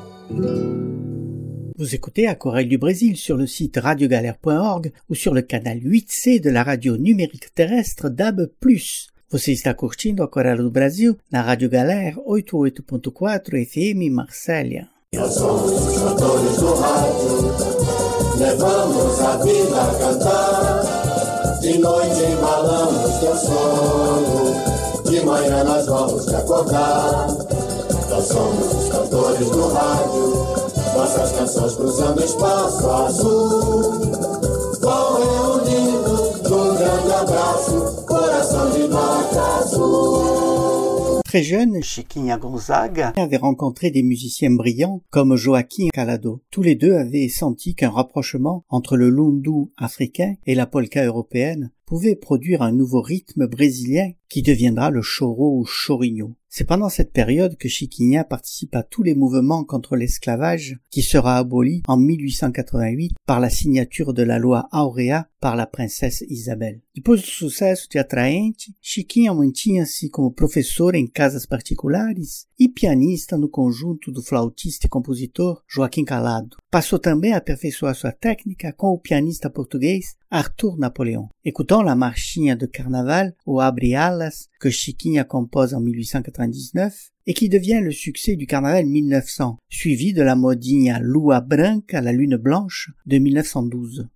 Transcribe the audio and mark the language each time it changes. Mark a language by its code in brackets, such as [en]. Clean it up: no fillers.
[fr] nous écouter à Corée du Brésil sur le site radiogalère.org ou sur le canal 8C de la radio numérique terrestre DAB+. [pt] Você está curtindo a Corée do Brasil na Rádio Galère 88.4 FM Marselha. Levamos a vida a cantar, de noite embalamos teu sono, de manhã nós vamos te acordar. Nós somos os cantores do rádio, nossas canções cruzando espaço azul, vão reunindo num grande abraço, coração de vaca azul. [fr] Très jeune, Chiquinha Gonzaga avait rencontré des musiciens brillants comme Joaquim Calado. Tous les deux avaient senti qu'un rapprochement entre le lundu africain et la polka européenne pouvait produire un nouveau rythme brésilien qui deviendra le choro ou chorinho. C'est pendant cette période que Chiquinha participe à tous les mouvements contre l'esclavage qui sera aboli en 1888 par la signature de la loi Aurea par la princesse Isabelle. [pt] Depois do sucesso de Atraente, Chiquinha mantinha-se como professor em casas particulares e pianista no conjunto do flautista e compositor Joaquim Calado. Passou também a aperfeiçoar sua técnica com o pianista português Arthur Napoleon. [fr] Écoutons la marchinha de carnaval ou Abre Alas que Chiquinha compose en 1899 et qui devient le succès du carnaval 1900, suivi de la modinha Lua Branca, la Lune Blanche de 1912.